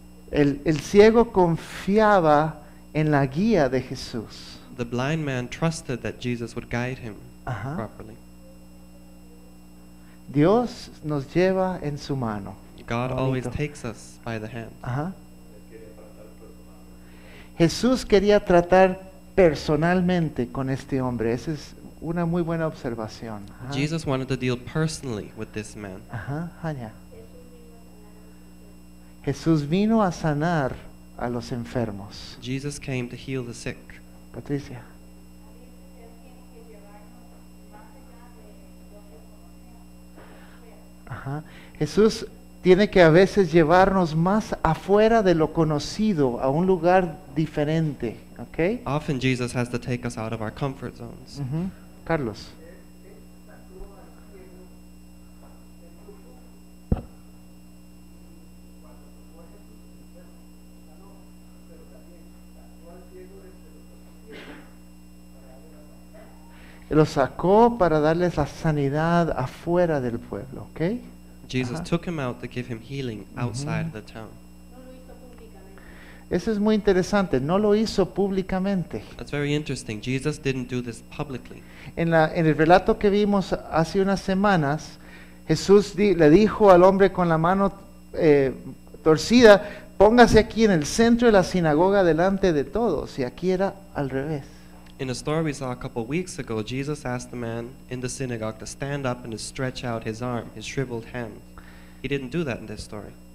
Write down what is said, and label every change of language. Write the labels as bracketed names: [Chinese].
[Spanish] El ciego confiaba en la guía de Jesús. [English] The blind man trusted that Jesus would guide him uh-huh. properly. [Spanish] Dios nos lleva en su mano. [English] God bonito. Always takes us by the hand. Uh-huh. [Spanish] Jesús quería tratar personalmente con este hombre. Esa es una muy buena observación. Uh-huh. [English] Jesus wanted to deal personally with this man. Uh-huh. [Spanish] Ajá, Jesús vino a sanar a los enfermos. [English] Jesus came to heal the sick. Patricia. Ajá. [Spanish] Jesús tiene que a veces llevarnos más afuera de lo conocido, a un lugar diferente, ¿okay? [English] Often Jesus has to take us out of our comfort zones. Uh-huh. Carlos. [Spanish] Lo sacó para darles la sanidad afuera del pueblo, ¿okay? [English] Jesus uh-huh. took him out to give him healing outside uh-huh. of the town. [Spanish] No lo hizo públicamente. Eso es muy interesante. No lo hizo públicamente. [English] That's very interesting. Jesus didn't do this publicly. [Spanish] En el relato que vimos hace unas semanas, Jesús le dijo al hombre con la mano torcida, póngase aquí en el centro de la sinagoga delante de todos. Y aquí era al revés. [English] In a story we saw a couple of weeks ago, Jesus asked the man in the synagogue to stand up and to stretch out his arm, his shriveled hand. He didn't do that in this story.